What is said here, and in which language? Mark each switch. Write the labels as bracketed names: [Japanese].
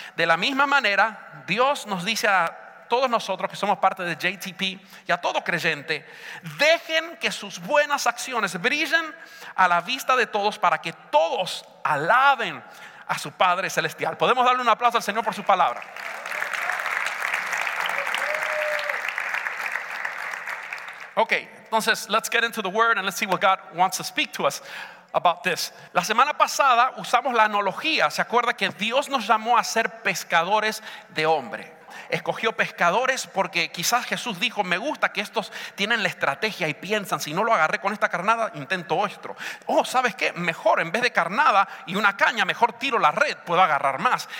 [Spanish] De la misma manera, Dios nos dice a todos nosotros que somos parte de JTP y a todo creyente, dejen que sus buenas acciones brillen a la vista de todos para que todos alaben a su Padre Celestial. Podemos darle un aplauso al Señor por su palabra. [English] Ok, [Spanish] entonces, [English] let's get into the word and let's see what God wants to speak to us about this. [Spanish] La semana pasada usamos la analogía, se acuerda que Dios nos llamó a ser pescadores de hombre. Escogió pescadores porque quizás Jesús dijo, me gusta que estos tienen la estrategia y piensan, si no lo agarré con esta carnada, intento otro. Oh, ¿sabes qué? Mejor, en vez de carnada y una caña, mejor tiro la red, puedo agarrar más.